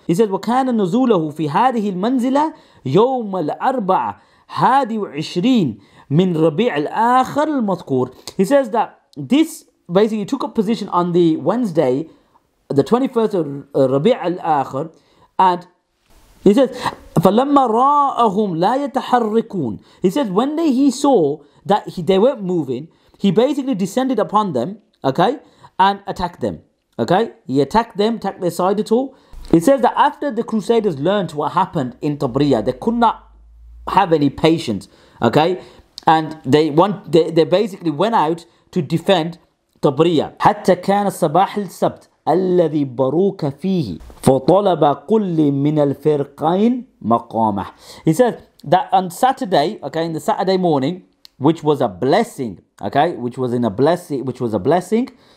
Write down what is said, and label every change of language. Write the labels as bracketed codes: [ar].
[en] He says, [ar] وَكَانَ نُزُولَهُ فِي هَذِهِ الْمَنْزِلَةِ يَوْمَ الْأَرْبَعَ هَذِي وَعِشْرِينَ مِنْ رَبِيعِ الْآخَرِ الْمَذْكُورِ [en] He says that this basically took a position on the Wednesday, the 21st of Rabi' al-Akhir, and he says, [ar] فَلَمَّا رَاءَهُمْ لَا يَتَحَرِّكُونَ [en] He says, when he saw that they weren't moving, he basically descended upon them, okay, and attacked them, okay? He attacked them, attacked their side at all. He says that after the Crusaders learned what happened in Tabriya, they could not have any patience, okay? And they basically went out to defend Tabriya. [ar] حتى كان الصباح السبت الذي بروك فيه فطلب كل من الفرقين مقامه. [en] He says that on Saturday, okay, in the Saturday morning, which was a blessing, okay, which was a blessing,